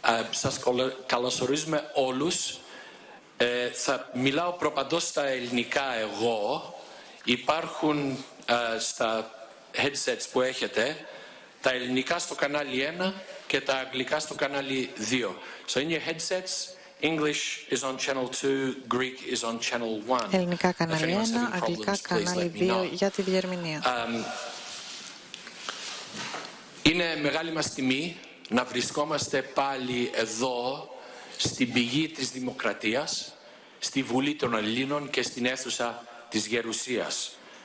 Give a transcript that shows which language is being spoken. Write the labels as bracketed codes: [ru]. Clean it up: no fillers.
[el] Σας καλωσορίζουμε όλους. Θα μιλάω προπαντός στα ελληνικά εγώ. Υπάρχουν στα headsets που έχετε τα ελληνικά στο κανάλι 1 και τα αγγλικά στο κανάλι 2. [en] So in your headsets, English is on channel 2, Greek is on channel 1. [el] Ελληνικά κανάλι 1, αγγλικά κανάλι 2 για τη διερμηνία. Είναι μεγάλη μας τιμή να βρισκόμαστε πάλι εδώ στην πηγή της δημοκρατίας, στη Βουλή των Ελλήνων και στην αίθουσα της Γερουσίας.